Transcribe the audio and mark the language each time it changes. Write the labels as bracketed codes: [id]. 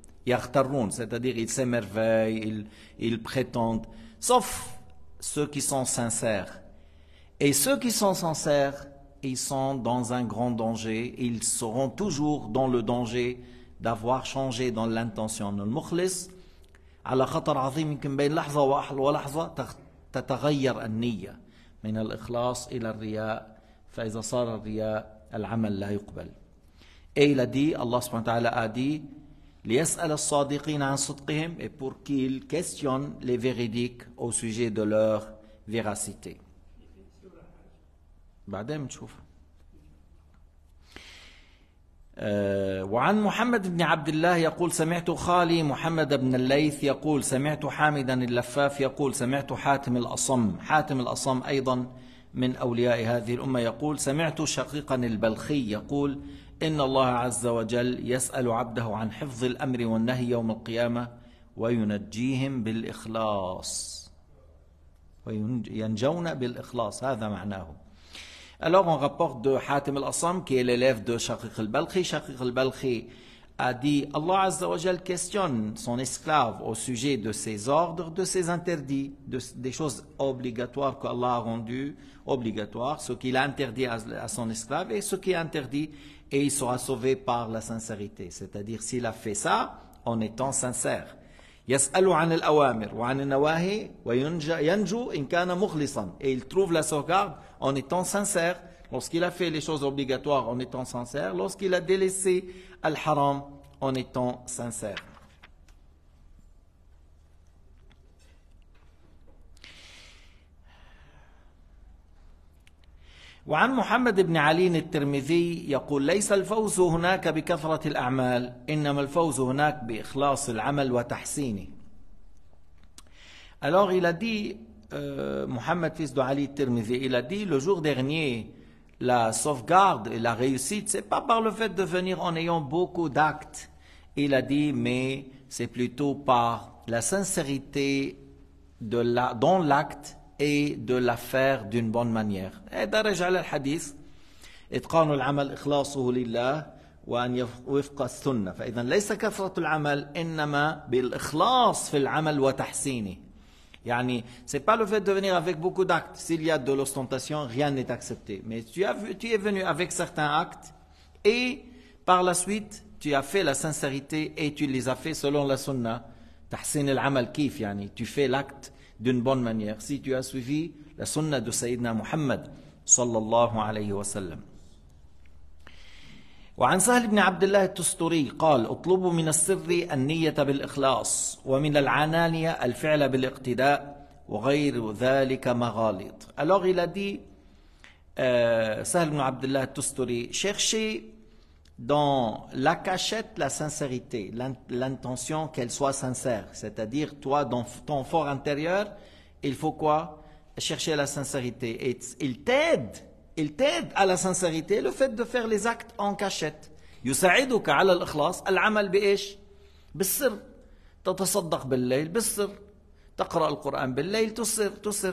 [fr] يغترون, c'est-à-dire ils s'émerveillent, ils prétendent, sauf ceux qui sont sincères. Et ceux qui sont sincères, ils sont dans un grand danger, ils seront toujours dans le danger d'avoir changé dans l'intention. [ar] المخلص على خطر عظيم يمكن بين لحظة واحد ولحظة تتغير النية من الإخلاص إلى الرياء. فإذا صار الرياء العمل لا يقبل. [fr] Et il a dit, Allah subhanahu wa ta'ala a dit: [ar] ليسأل الصادقين عن صدقهم, [fr] et pour qu'il questionne les véridiques au sujet de leur véracité. [ar] بعدين نشوف. وعن محمد بن عبد الله يقول: سمعت خالي محمد بن الليث يقول: سمعت حامدا اللفاف يقول: سمعت حاتم الأصم, حاتم الأصم أيضا من أولياء هذه الأمة يقول: سمعت شقيقا البلخي يقول: إن الله عز وجل يسأل عبده عن حفظ الأمر والنهي يوم القيامة وينجيهم بالإخلاص, وينجون بالإخلاص, هذا معناه. [fr] Alors on rapporte de Hatim al-Assam, qui est l'élève de Shaqiq al-Balkhi. Shaqiq al-Balkhi a dit: Allah Azza wa Jal questionne son esclave au sujet de ses ordres, de ses interdits, des choses obligatoires qu'Allah a rendues obligatoires, ce qu'il a interdit à son esclave et ce qui est interdit, et il sera sauvé par la sincérité. C'est-à-dire s'il a fait ça en étant sincère. [ar] يسألوا عن الأوامر وعن النواهي وينجو إن كان مخلصا. [fr] Et il trouve la sauvegarde en étant sincère. Lorsqu'il a fait les choses obligatoires en étant sincère, lorsqu'il a délaissé al-haram en étant sincère. [ar] وعن محمد بن علي الترمذي يقول: ليس الفوز هناك بكثرة الأعمال, إنما الفوز هناك بإخلاص العمل وتحسينه. [fr] Alors il a dit, Mohamed fils de Ali al-Tirmidhi, il a dit: le jour dernier, la sauvegarde et la réussite, c'est pas par le fait de venir en ayant beaucoup d'actes, il a dit, mais c'est plutôt par la sincérité dans l'acte et de la faire d'une bonne manière. Et d'arrêter le hadith, [ar] اتقان العمل إخلاصه لله وأن وفق السنة. فإذا ليس كثرة العمل إنما بالإخلاص في العمل وتحسينه. [fr] يعني c'est pas le fait de venir avec beaucoup d'actes. S'il y a de l'ostentation, rien n'est accepté. Mais tu es venu avec certains actes et par la suite tu as fait la sincérité et tu les as fait selon la sunna. [ar] تحسين العمل كيف يعني [fr] tu fais l'acte d'une bonne manière si tu as suivi la sunna de Sayyidina Muhammad [ar] صلى الله عليه وسلم. وعن سهل بن عبد الله التستري قال اطلبوا من السر النية بالإخلاص ومن العنانية الفعل بالاقتداء وغير ذلك مغالط. [fr] Alors il a dit سهل بن عبد الله التستري cherchez dans la cachette la sincérité, l'intention qu'elle soit sincère, c'est-à-dire toi dans ton fort intérieur, il faut quoi? Chercher la sincérité. Il t'aide à la sincérité le fait de faire les actes en cachette. [ar] يساعدك على الإخلاص العمل بإيش؟ بالسر. تتصدق بالليل بالسر. تقرأ القرآن بالليل تسر تسر.